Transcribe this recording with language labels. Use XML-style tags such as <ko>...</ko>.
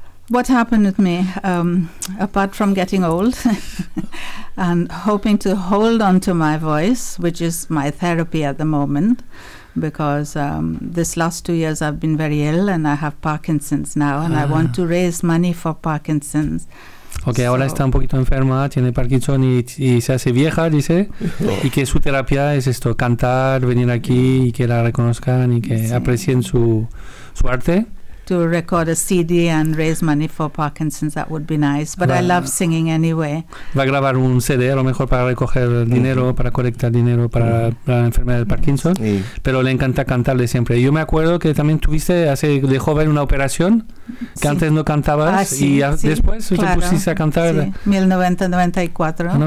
<en>What happened with me, apart from getting old and hoping to hold on to my voice, which is my therapy at the moment, because this last 2 years I've been very ill and I have Parkinson's now and I want to raise money for Parkinson's.</en> <es>Okay, so ahora está un poquito enferma, tiene Parkinson y se hace vieja, dice, y que su terapia es esto, cantar, venir aquí y que la reconozcan y que sí. aprecien su arte.</es> <en>To record a CD and raise money for Parkinson's, that would be nice. But I love singing anyway.</en> <es>Va a grabar un CD, a lo mejor para recoger dinero, para colectar dinero para la enfermedad de Parkinson. Sí. Pero le encanta cantarle siempre. Yo me acuerdo que también tuviste hace de joven una operación, que sí. antes no cantabas después claro. te pusiste a cantar. Sí. 1994.</es>